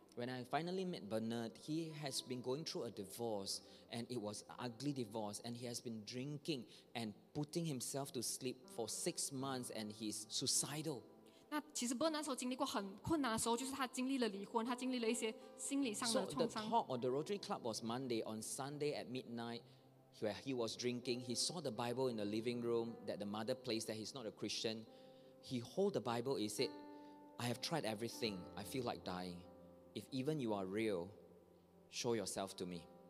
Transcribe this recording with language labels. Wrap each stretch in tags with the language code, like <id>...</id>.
<en>When I finally met Bernard, he has been going through a divorce, and it was an ugly divorce, and he has been drinking and putting himself to sleep for 6 months, and he's suicidal.</en> <zh>那其实Bernard那时候经历过很困难的时候，就是他经历了离婚，他经历了一些心理上的创伤。</zh> <en>So the talk on the Rotary Club was Monday. On Sunday at midnight, where he was drinking, he saw the Bible in the living room that the mother placed, that he's not a Christian. He hold the Bible, he said, I have tried everything, I feel like dying. If even you are real, show yourself to me.</en>